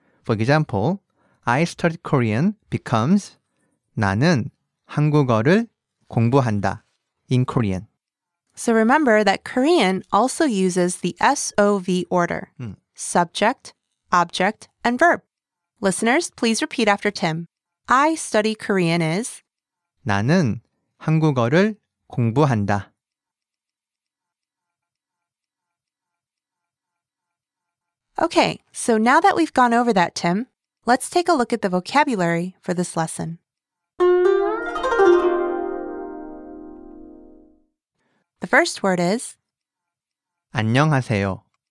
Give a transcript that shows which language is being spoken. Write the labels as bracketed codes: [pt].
[en] For example, I study Korean becomes [ko] 나는 한국어를 공부한다 [en] in Korean. So remember that Korean also uses the SOV order, subject, object, and verb. Listeners, please repeat after Tim. I study Korean is [ko] 나는 한국어를 공부한다. [en] Okay, so now that we've gone over that, Tim, let's take a look at the vocabulary for this lesson. 1st word is [ko] 안녕하세요.